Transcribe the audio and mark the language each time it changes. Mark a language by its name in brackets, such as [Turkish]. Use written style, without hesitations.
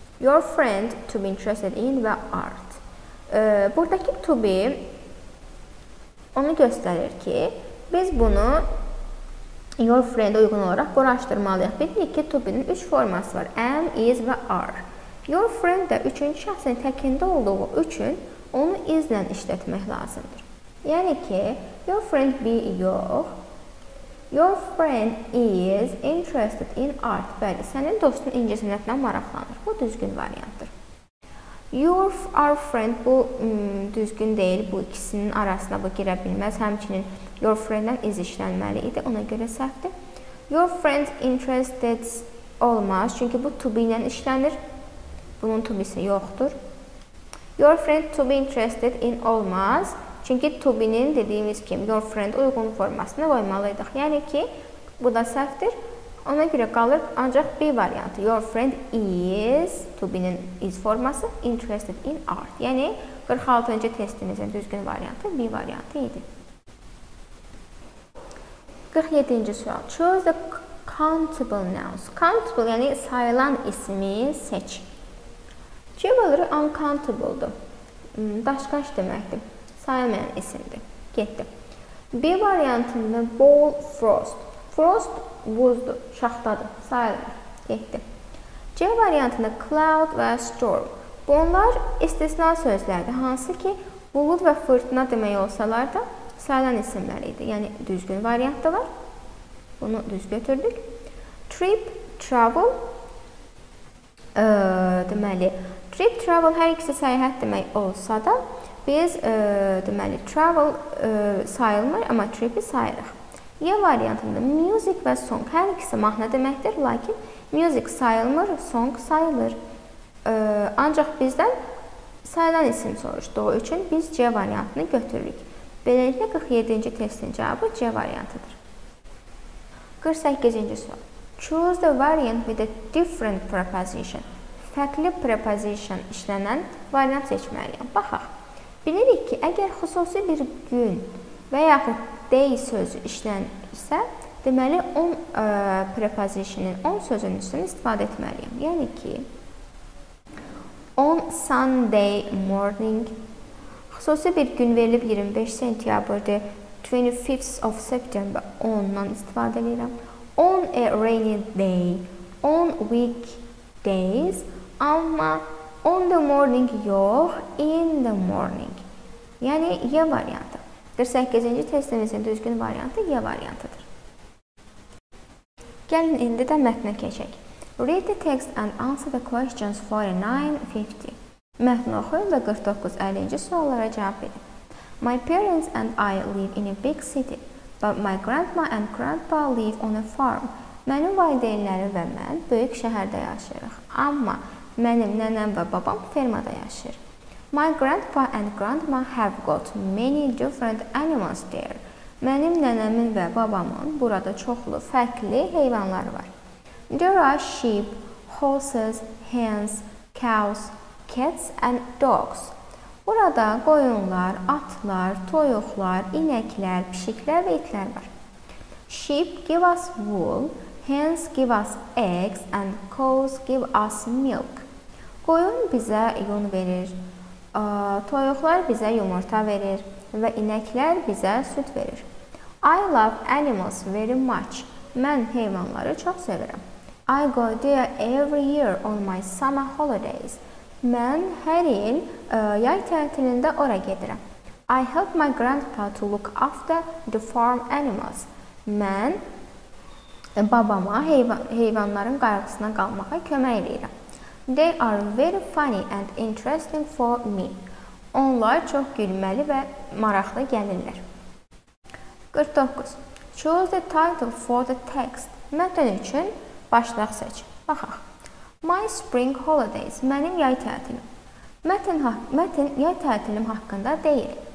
[English] Your friend to be interested in [Azerbaijani] və art. Buradakı to be onu göstərir ki, biz bunu your friend uyğun olaraq quraşdırmalıyıq. Bilirik ki, to be-nin 3 forması var. Am, is və are. Your friend də 3-cü şəxsin təkində olduğu üçün onu is-lə işlətmək lazımdır. Yəni ki, your friend be yox. [English] Your friend is interested in art. [Azerbaijani] Bəli, sənin dostun incəsənətlə maraqlanır. Bu düzgün variantdır. Your, our friend bu düzgün deyil. Bu ikisinin arasına bu girə bilməz. Həmçinin your friend-dən is işlənməli idi. Ona görə səhvdir. Your friend interested olmaz. Çünki bu to be-lə işlənir. Bunun to be-si yoxdur. [English] Your friend to be interested in [Azerbaijani] olmaz. Çünki to be-nin dediyimiz kimi your friend uyğun formasını qoymalıydıq. Yəni ki, bu da səhvdir. Ona görə qalır ancaq B variantı. [English] Your friend is, to be-nin is forması, interested in art. [Azerbaijani] Yəni, 46-cı testimizin düzgün variantı B variantı idi. [English] 47-ci sual. Choose the countable nouns. [Azerbaijani] Countable, yəni sayılan ismi seç. Cümləri uncountable-dur. Daşqaş deməkdir. Sayılmayan isimdir. Getdi. B variantında ball, frost. Frost, buzdur. Şaxtadır. Sayılır. Getdi. C variantında cloud və storm. Bunlar istisna sözlərdir. Hansı ki, bulud və fırtına demək olsalar da sayılan isimləridir. Yəni, düzgün variantda var. Bunu düz götürdük. Trip, travel. Deməli, Trip travel hər ikisi səyahət demək olsa da, biz deməli travel sayılmır, amma trip-i sayırıq. Y variantında music və song hər ikisi mahnı deməkdir, lakin music sayılmır, song sayılır. Ancaq bizdən sayılan isim soruşduğu üçün biz C variantını götürürük. Beləliklə 47-ci testin cavabı C variantıdır. 48-ci sual. [English] Choose the variant with a different preposition. [Azerbaijani] Fərqli preposition işlənən variant seçməliyəm. Baxaq. Bilirik ki, əgər xüsusi bir gün və yaxud day sözü işlənirsə, deməli on prepositionin, on sözünün üstünü istifadə etməliyəm. Yəni ki, [English] on Sunday morning, [Azerbaijani] xüsusi bir gün verilib 25 sentyabrdır, [English] 25th of September, [Azerbaijani] ondan istifadə edirəm. [English] On a rainy day, on week days, amma on the morning yox, in the morning. [Azerbaijani] Yəni, Y variantı. 48-ci testimizin düzgün variantı Y variantıdır. Gəlin, indi də mətnə keçək. [English] Read the text and answer the questions 49-50. [Azerbaijani] Mətnə oxuyun və 49-50-ci suallara cavab edin. [English] My parents and I live in a big city, but my grandma and grandpa live on a farm. [Azerbaijani] Mənim valideynlərim və mən böyük şəhərdə yaşayırıq, amma mənim nənəm və babam fermada yaşayır. [English] My grandpa and grandma have got many different animals there. [Azerbaijani] Mənim nənəmin və babamın burada çoxlu fərqli heyvanları var. [English] There are sheep, horses, hens, cows, cats and dogs. [Azerbaijani] Burada qoyunlar, atlar, toyuqlar, inəklər, pişiklər və itlər var. [English] Sheep give us wool, hens give us eggs and cows give us milk. [Azerbaijani] Qoyun bizə yun verir, toyuqlar bizə yumurta verir və inəklər bizə süt verir. [English] I love animals very much. [Azerbaijani] Mən heyvanları çox sevirəm. [English] I go there every year on my summer holidays. [Azerbaijani] Mən hər il yay tətilində ora gedirəm. [English] I help my grandpa to look after the farm animals. [Azerbaijani] Mən babama heyvanların qayğısına qalmağa kömək edirəm. [English] They are very funny and interesting for me. [Azerbaijani] Onlar çox gülməli və maraqlı gəlirlər. [English] 49. Choose the title for the text. [Azerbaijani] Mətn üçün başlıq seç. Baxaq. [English] My spring holidays. [Azerbaijani] Mənim yay tətilim. Mətn yay tətilim haqqında deyil.